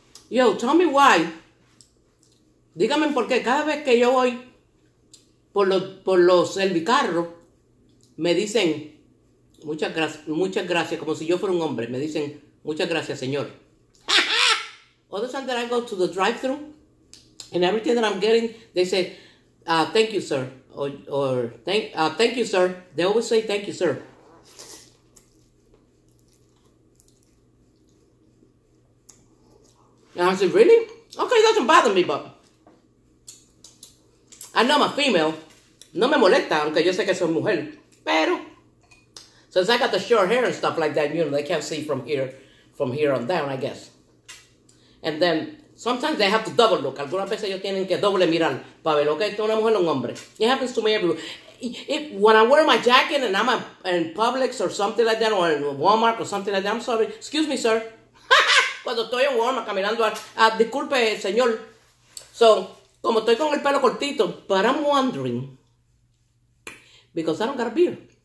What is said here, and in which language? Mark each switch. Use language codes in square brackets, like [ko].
[en] Yo, tell me why. [es] Dígame por qué. Cada vez que yo voy por los servicarros, me dicen muchas gracias, como si yo fuera un hombre. Me dicen muchas gracias, señor. [en] Other time that I go to the drive-thru, and everything that I'm getting, they say, thank you, sir. Thank you, sir. They always say, thank you, sir. And I said, really? Okay, it doesn't bother me, but I know I'm a female. [es] No me molesta, aunque yo sé que soy mujer. [en] Pero, since I got the short hair and stuff like that, you know, they can't see from here on down, I guess. And then, sometimes they have to double look. [es] Algunas veces ellos tienen que doble mirar para ver lo que es una mujer o un hombre. [en] It happens to me everywhere. When I wear my jacket and I'm in Publix or something like that, or in Walmart or something like that, I'm sorry. Excuse me, sir. [es] Cuando estoy en Walmart caminando, disculpe, señor. [en] So, [es] como estoy con el pelo cortito, [en] but I'm wondering, because I don't got a beard.